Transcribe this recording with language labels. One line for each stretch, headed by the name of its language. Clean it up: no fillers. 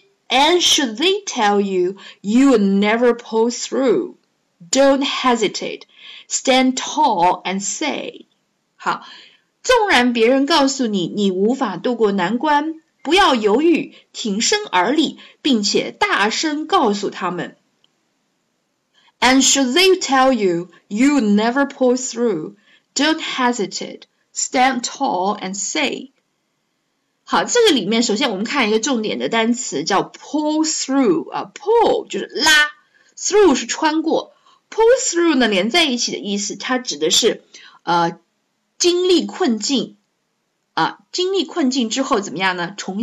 English: and should they tell you you will never pull through, don't hesitate, stand tall and say.
Chinese: 好，纵然别人告诉你你无法渡过难关，不要犹豫，挺身而立，并且大声告诉他们。
English: And should they tell you you never pull through, don't hesitate, stand tall and say.
Chinese: 好，这个里面首先我们看一个重点的单词叫 pull through 啊 ，pull 就是拉 ，through 是穿过 ，pull through 呢连在一起的意思，它指的是经历困境啊，经历困境之后怎么样呢？